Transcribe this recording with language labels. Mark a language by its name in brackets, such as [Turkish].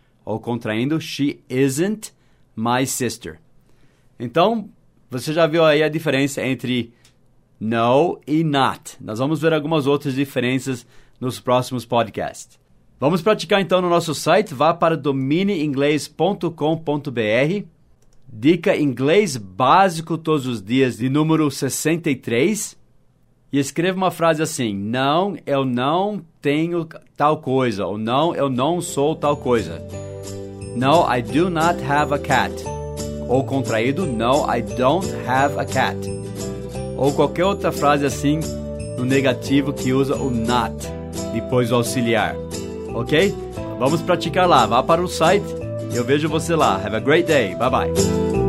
[Portuguese] Ou contraindo, [English] she isn't my sister. [Portuguese] Então, você já viu aí a diferença entre no e not. Nós vamos ver algumas outras diferenças nos próximos podcasts. Vamos praticar então no nosso site. Vá para domineinglês.com.br. Dica inglês básico todos os dias de número 63. E escreva uma frase assim. Não, eu não tenho tal coisa. Ou não, eu não sou tal coisa. [English] No, I do not have a cat. [Portuguese] Ou contraído, [English] no, I don't have a cat. [Portuguese] Ou qualquer outra frase assim, no negativo, que usa o not, depois o auxiliar. Ok? Vamos praticar lá. Vá para o site e eu vejo você lá. [English] Have a great day. Bye-bye.